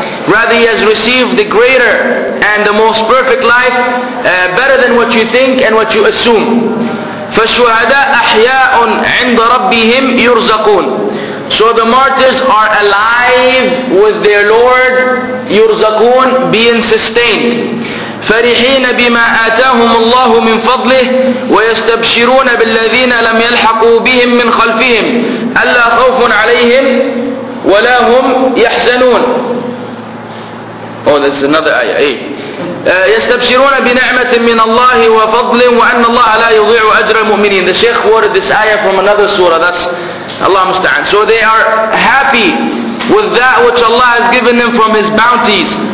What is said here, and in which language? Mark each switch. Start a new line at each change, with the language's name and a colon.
English: Rather, he has received the greater and the most perfect life, better than what you think and what you assume.
Arabic: فَالشُّهَدَاءُ أَحْيَاءٌ عِنْدَ رَبِّهِمْ يُرْزَقُونَ.
English: So the martyrs are alive with their Lord, يُرْزَقُونَ, being sustained.
Arabic: فرحين بما آتاهم الله من فضله ويستبشرون بالذين لم يلحقوا بهم من خلفهم ألا خوف عليهم ولا هم يحزنون.
English: Oh, this is another ayah. Hey.
Arabic: يستبشرون بنعمة من الله وفضل وأن الله لا يضيع أجر المؤمنين.
English: The Sheikh quoted this ayah from another surah. That's Allah musta'an. So they are happy with that which Allah has given them from His bounties.